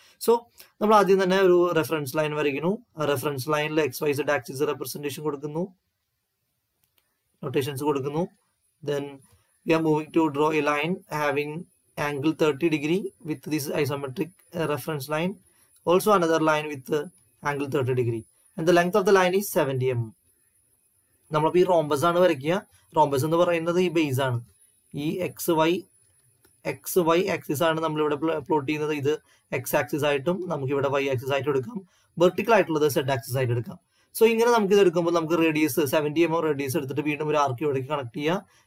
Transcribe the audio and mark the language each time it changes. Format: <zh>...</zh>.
<ml>So നമ്മൾ ആദ്യം തന്നെ ഒരു റെഫറൻസ് ലൈൻ വരയ്ക്കുന്നു. റെഫറൻസ് ലൈനിൽ X Y Z axis representation കൊടുക്കുന്നു, നൊട്ടേഷൻസ് കൊടുക്കുന്നു.</ml> <en>Then we are moving to draw a line having angle 30 degree with this isometric reference line. Also another line with angle 30 degree. And the length of the line is 70 mm.</en> <ml>നമ്മളിപ്പോൾ ഈ rhombus ആണ് വരയ്ക്കുക. Rhombus എന്ന് പറയുന്നത് ഈ base ആണ്. ഈ X Y axis ആണ് നമ്മളിവിടെ പ്ലോട്ട് ചെയ്യുന്നത്. ഇത് എക്സ് ആക്സിസ് ആയിട്ടും നമുക്കിവിടെ വൈ ആക്സിസ് ആയിട്ടും എടുക്കാം. വെർട്ടിക്കൽ ആയിട്ടുള്ളത് സെഡ് ആക്സിസ് ആയിട്ട് എടുക്കാം. സോ ഇങ്ങനെ നമുക്കിത് എടുക്കുമ്പോൾ നമുക്ക് റേഡിയസ് 70 mm റേഡിയസ് എടുത്തിട്ട് വീണ്ടും ഒരു ആർക്ക് ഇവിടേക്ക് കണക്ട് ചെയ്യുക.</ml>